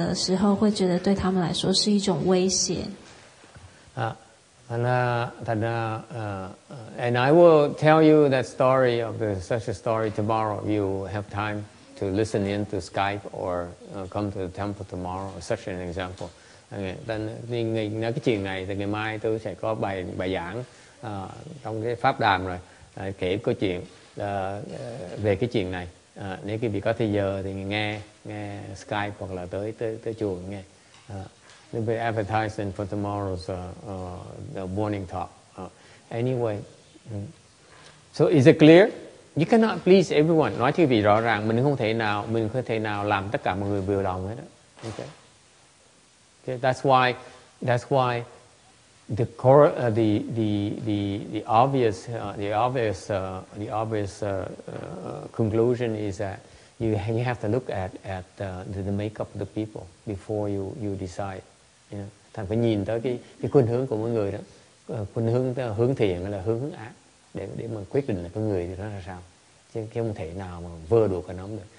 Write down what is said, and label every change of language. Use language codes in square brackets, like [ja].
[zh] 这些善良的人呢，他们刚刚看到佛的时候，因为他们自己本身是善的，所以他们也觉得佛同样的也是相貌非常好、非常吸引他们，非常的端庄端严的。但是如果他们是恶的话，他们会觉得看到佛的时候，会觉得对他们来说是一种威胁。 [en] And I will tell you that story of the, such a story tomorrow. You have time to listen in to Skype or come to the temple tomorrow. Such an example. [vi] Then, cái chuyện này thì ngày mai tôi sẽ có bài giảng trong cái pháp đàm rồi kể câu chuyện về cái chuyện này. Nếu quý vị có thời giờ thì nghe Skype hoặc là tới chùa nghe. [en] They'll be advertising for tomorrow's the morning talk. Anyway, So is it clear? You cannot please everyone. [vi] Nói cho quý vị rõ ràng, mình không thể nào làm tất cả mọi người vừa lòng hết. [en] Okay. That's why the core, the obvious conclusion is that you have to look at the makeup of the people before you decide. Yeah. [vi] Thành phải nhìn tới cái khuynh hướng của mỗi người đó, khuynh hướng hướng thiện hay là hướng ác để mà quyết định là con người thì nó ra sao, chứ không thể nào mà vơ đùa cả nóng được.